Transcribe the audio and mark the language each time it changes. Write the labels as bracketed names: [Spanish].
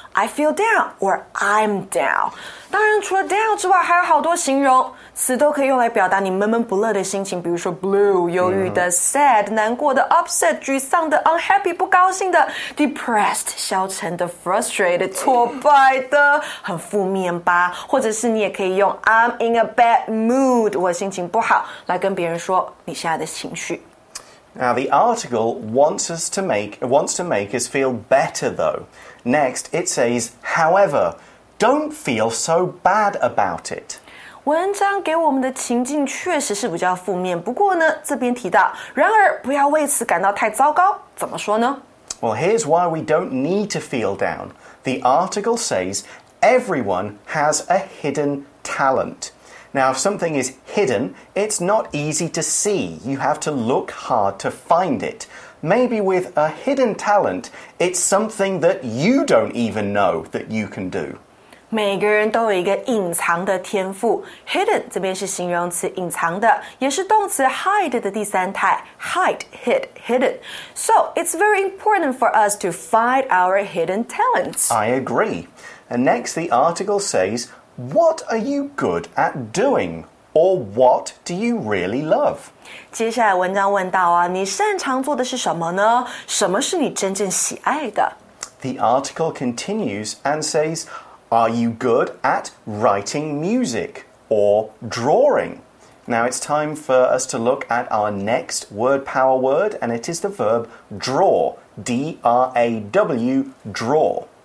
[English] I feel down, or I'm down. [Chinese] 当然除了 down 之外还有好多形容词都可以用来表达你闷闷不乐的心情比如说 blue, 忧郁的 sad, 难过的 upset, 沮丧的 unhappy, 不高兴的 depressed, 消沉的 frustrated, 挫败的很负面吧或者是你也可以用 [English] I'm in a bad mood, [Chinese] 我心情不好来跟别人说你现在的情绪 [English] Now the article wants to make us feel better though. Next, it says, however,Don't feel so bad about it. [Chinese] 文章给我们的情境确实是比较负面，不过呢，这边提到，然而不要为此感到太糟糕，怎么说呢？ [English] Well, here's why we don't need to feel down. The article says everyone has a hidden talent. Now, if something is hidden, it's not easy to see. You have to look hard to find it. Maybe with a hidden talent, it's something that you don't even know that you can do. [Chinese] 每个人都有一个隐藏的天赋。 Hidden 这边是形容词隐藏的，也是动词 hide 的第三态。 [English] Hide, hid, hidden. So, it's very important for us to find our hidden talents. I agree. And next, the article says, what are you good at doing? Or what do you really love? [Chinese] 接下来文章问到啊，你擅长做的是什么呢？什么是你真正喜爱的？ [English] The article continues and says, Are you good at writing music or drawing? Now it's time for us to look at our next word power word, and it is the verb draw, D-R-A-W, draw.